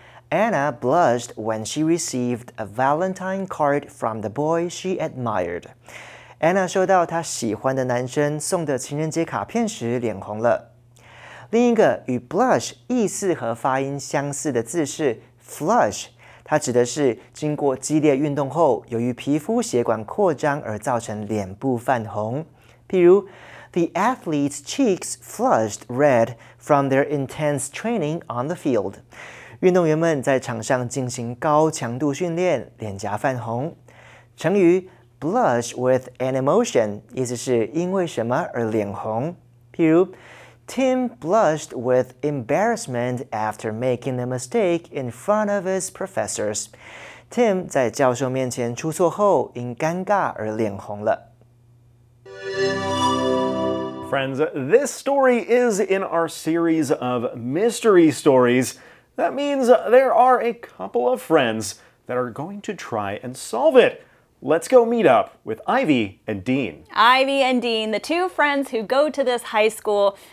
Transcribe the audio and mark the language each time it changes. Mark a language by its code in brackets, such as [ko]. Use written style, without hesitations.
[en] Anna blushed when she received a Valentine card from the boy she admired. [zh] Anna 收到她喜欢的男生送的情人节卡片时脸红了。另一个与 blush 意思和发音相似的字是 flush， 它指的是经过激烈运动后，由于皮肤血管扩张而造成脸部泛红。 [en] 譬如 ，The athlete's cheeks flushed red from their intense training on the field。 [zh] 运动员们在场上进行高强度训练，脸颊泛红。成语 [en] blush with an emotion [zh] 意思是因为什么而脸红。 [en] 譬如 ，Tim blushed with embarrassment after making a mistake in front of his professors。 [zh] Tim 在教授面前出错后，因尴尬而脸红了。 [en] Friends, this story is in our series of mystery stories. That means there are a couple of friends that are going to try and solve it. let's go meet up with Ivy and Dean. Ivy and Dean, the two friends who go to this high school.